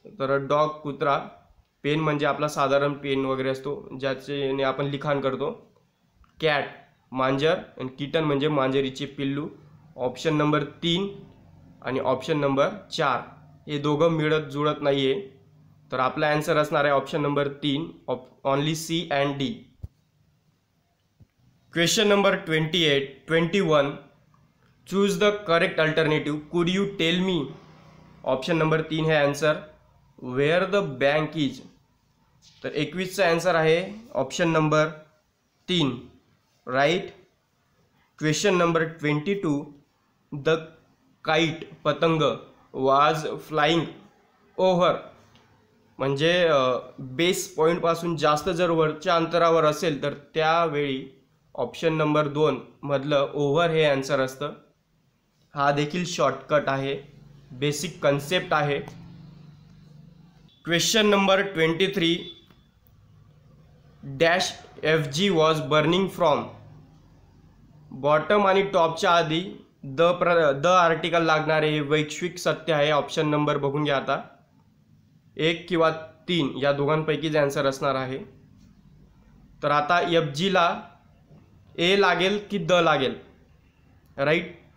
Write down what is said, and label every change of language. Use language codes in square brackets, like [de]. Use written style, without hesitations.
[mr] तर डॉग कुत्रा, पेन म्हणजे आपला साधारण पेन वगैरे असतो ज्याच्याने आपण लिखाण करतो. कॅट मांजर आणि किटन म्हणजे मांजरीचे पिल्लू. ऑप्शन नंबर तीन आणि ऑप्शन नंबर चार हे दोघं मिळत जुळत नाही आहे. तर आपला आन्सर असणार आहे ऑप्शन नंबर तीन, [en] Only C and D. Question number 21, choose the correct alternative, could you tell me. Option number [mr] तीन हे [en] Answer, where the bank is. [mr] तर 21 आन्सर आहे ऑप्शन नंबर तीन, right. [en] Question number 22, the kite पतंग was flying over. [mr] म्हणजे बेस पॉईंटपासून जास्त जर वरच्या अंतरावर असेल तर त्यावेळी ऑप्शन नंबर दोन मधलं ओव्हर हे आन्सर असतं. हा देखील शॉर्टकट आहे, बेसिक कन्सेप्ट आहे. [en] Question number 23, dash F G was burning from. [mr] Bottom आणि टॉपच्या आधी द आर्टिकल लागणारे हे वैश्विक सत्य आहे. ऑप्शन नंबर बघून घ्या आता, एक किंवा तीन या दोघांपैकीच आन्सर असणार आहे. तर आता एफ जीला ए लागेल की द लागेल, राईट.